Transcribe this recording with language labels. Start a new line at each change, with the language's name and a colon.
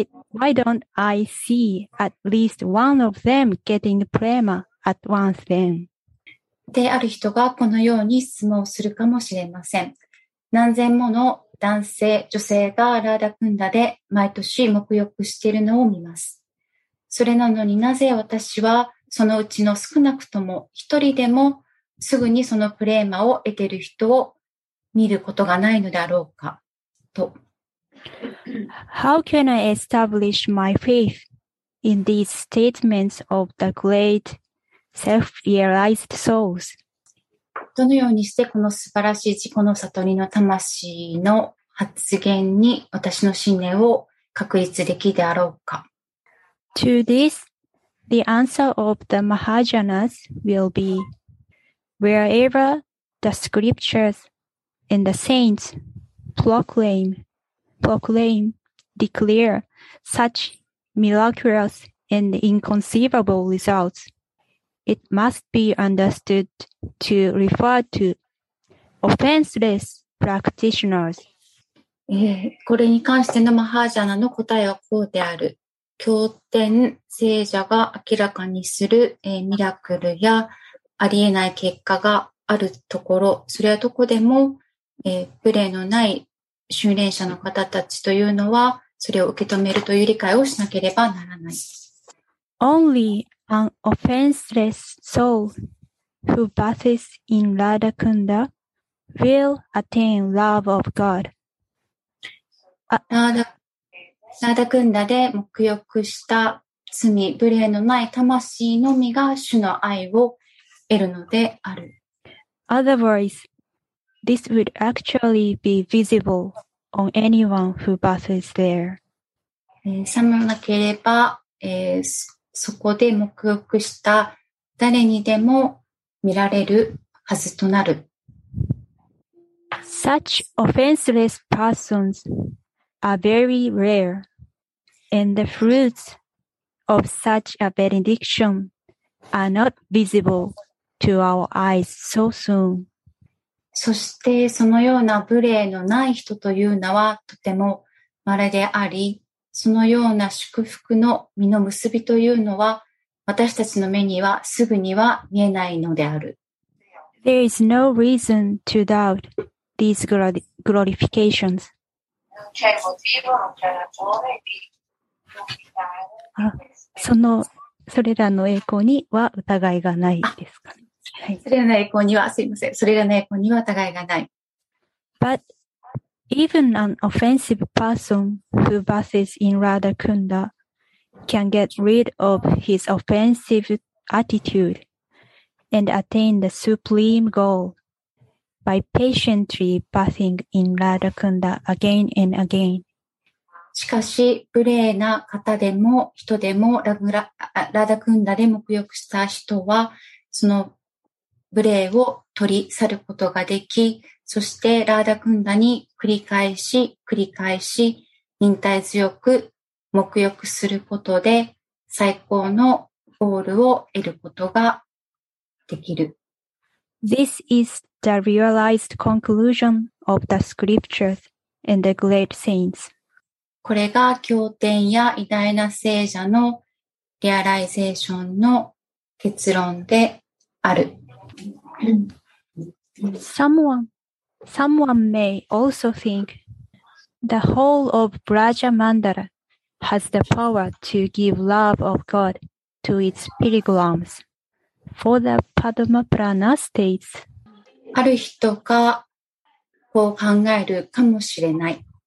English: Why don't I see at least one of them getting prema at once then?
Japanese: である人がこのように質問するかもしれません。何千もの男性、女性がラーダクンダで毎年沐浴しているのを見ます。それなのになぜ私はそのうちの少なくとも一人でもすぐにそのプレーマを得ている人を見ることがないのだろうかと。
English: How can I establish my faith in these statements of the great self-realized souls?
Japanese: どのようにしてこの素晴らしい自己の悟りの魂の発言に私の信念を確立できるであろうか。
English: To this, the answer of the Mahajanas will be wherever the scriptures and the saints declare such miraculous and inconceivable results, it must be understood to refer to offenseless practitioners.
Japanese: これに関してのマハージャナの答えはこうである。経典聖者が明らかにする、ミラクルやありえない結果があるところ、それはどこでも、無礼のない修練者の方たちというのは、それを受け止めるという理解をしなければならない。
English: Only an offenseless soul who bathes in Radha Kunda will attain love of God.
Japanese: Radha Kunda で沐浴した罪、無礼のない魂のみが主の愛を得るのである。
English: Otherwise, this would actually be visible on anyone who bathes there.
Japanese: さもなければ、そこで沐浴した誰にでも見られるはずとなる。
English: Such offenseless persons are very rare, and the fruits of such a benediction are not visible to our eyes so soon.
Japanese: そしてそのような無礼のない人というのはとても稀であり、そのような祝福の実の結びというのは私たちの目にはすぐには見えないのである。
English: There is no reason to doubt these glorifications.
Japanese: それらの栄光には疑いがないですか、はい、それらの栄光にはすいません。それらの栄光には疑いがない。
English: But,Even an offensive person who bathes in Radha Kunda can get rid of his offensive attitude and attain the supreme goal by patiently bathing in Radha Kunda again and again.
Japanese: しかし、無礼な方でも人でもRadha Kundaで沐浴した人は、その無礼を取り去ることができ、そしてラーダクンダに繰り返し繰り返し忍耐強く沐浴することで最高のゴールを得ることができる。
English: This is the realized conclusion of the scriptures and the great saints.
Japanese: これが経典や偉大な聖者のリアライゼーションの結論である。
English: Someone may also think the whole of Braja Mandala has the power to give love of God to its pilgrims. For the Padma Prana states,
Japanese: ある人がこう考えるかもしれない。